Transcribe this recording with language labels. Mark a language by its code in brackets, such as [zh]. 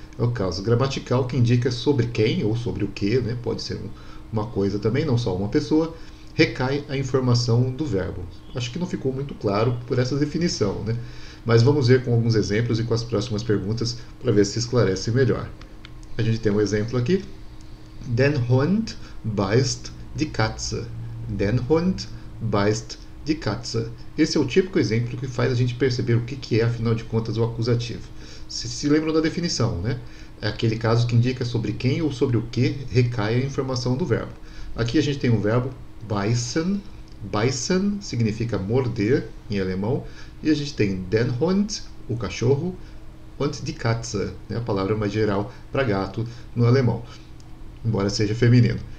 [pt] É o caso gramatical que indica sobre quem ou sobre o que, né? Pode ser uma coisa também, não só uma pessoa, recai a informação do verbo. Acho que não ficou muito claro por essa definição, né? Mas vamos ver com alguns exemplos e com as próximas perguntas para ver se esclarece melhor. A gente tem um exemplo aqui. [de] Den Hund beißt die Katze. Den Hund beißt die Katze. [pt] Esse é o típico exemplo que faz a gente perceber o que é, afinal de contas, o acusativo. Se lembram da definição, né? É aquele caso que indica sobre quem ou sobre o que recai a informação do verbo. Aqui a gente tem o verbo beißen. Beißen significa morder em alemão. E a gente tem [de] den Hund, [pt] o cachorro, [de] und die Katze, [pt] né? A palavra mais geral para gato no alemão, embora seja feminino.